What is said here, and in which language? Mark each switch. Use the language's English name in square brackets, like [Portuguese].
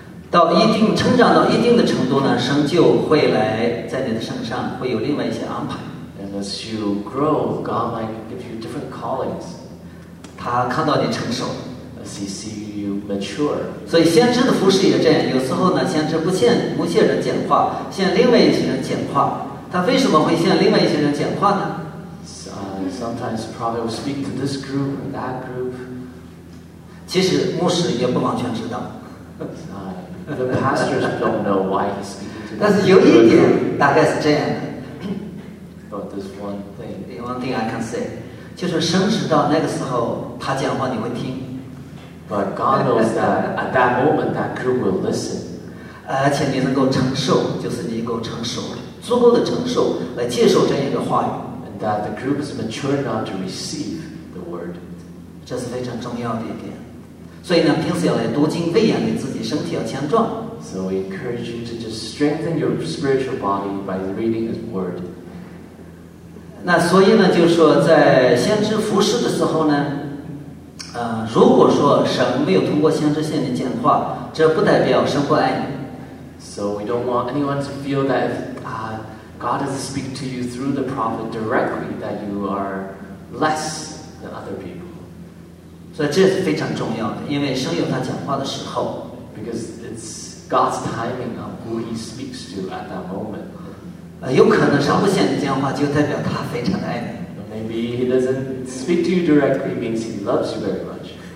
[Chinese] 到一定成长到一定的程度呢, 神就会来在你的身上, 会有另外一些安排。 [English] And as you grow, God might give you different callings. [Chinese] 他看到你成熟, [English] as he sees you mature. [Chinese] 所以先知的服事也这样, 有时候呢, 先知不见某些人简化, 现另外一些人简化。他为什么会向另外一些人讲话呢? [English] Sometimes probably will speak to this group and that group. [Chinese] 其实牧师也不完全知道。 [English] The pastors don't know why he's speaking to them. [Chinese] 但是有一点大概是这样的。 [English] But there's one thing. The one thing I can say. [Chinese] 就是神知道那个时候他讲话你会听。 [English] But God knows that at that moment that group will listen. [Chinese] 而且你能够承受，就是你够成熟了。足够的承受来接受这样一个话语, [English] and that the group is mature enough to receive the word. [Chinese] 这是非常重要的一点。所以呢, 平时要来读经, 喂养你自己, 身体要强壮。 [English] So we encourage you to just strengthen your spiritual body by reading the word. [Chinese] 那所以呢, 就是说在先知服事的时候呢, 如果说神没有通过先知向你讲话, 这不代表神不爱你。 [English] So we don't want anyone to feel that if God doesn't speak to you through the prophet directly, that you are less than other people. [Chinese] 所以这是非常重要的，因为神有他讲话的时候。 [English] Because it's God's timing of who he speaks to at that moment. [Chinese] 有可能神不向你讲话，就代表他非常的爱你。 [English] Maybe he doesn't speak to you directly, means he loves you very much.